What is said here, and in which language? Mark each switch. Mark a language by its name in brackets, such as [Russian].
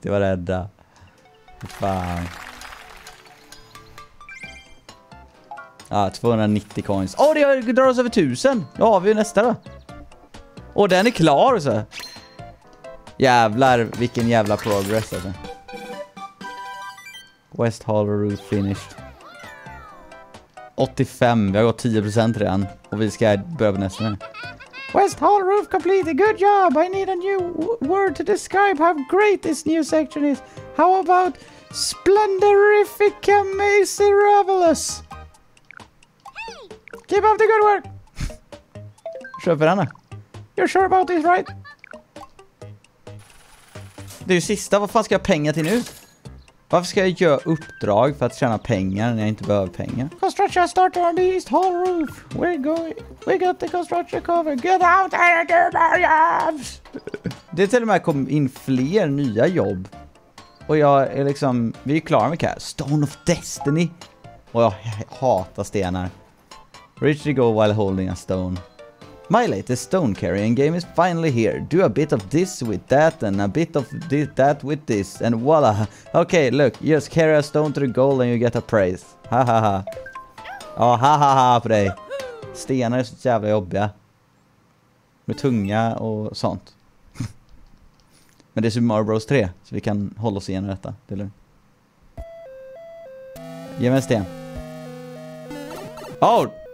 [Swedish] Det var rädda. Fy fan. Ja, 290 coins. Åh, det drar oss över 1000. Då har vi ju nästa då. Åh, den är klar så. Jävlar, vilken jävla progress alltså. [English] West Hall route finished. [Swedish] 85, vi har gått 10% redan. Och vi ska börja på nästa nu. [English] West Hall roof completed. Good job. I need a new word to describe how great this new section is. How about splendorific miserabilis? Keep up the good work! [Swedish] Kör för henne. [English] You're sure about this, right? [Swedish] Det är ju sista. Vad fan ska jag pengar till nu? Varför ska jag göra uppdrag för att tjäna pengar när jag inte behöver pengar? [English] Construction started on the east hall roof. We're going... We got the construction cover. Get out here, get my jobs! [Swedish] Det är till och med kom in fler nya jobb. Och jag är liksom... Vi är klara med det här. Stone of Destiny. Och jag hatar stenar. [English] Reach the goal while holding a stone. My latest stone carrying game is finally here. Do a bit of this with that and a bit of that with this. And voila. Okay, look. You just carry a stone to the goal and you get a prize. [Swedish] Ja, hahaha för dig. Stenar är så jävla jobbiga. Med tunga och sånt. Men det är Super Mario Bros 3. Så vi kan hålla oss igenom detta. Det är lugnt. Ge mig en sten. Åh! Oh!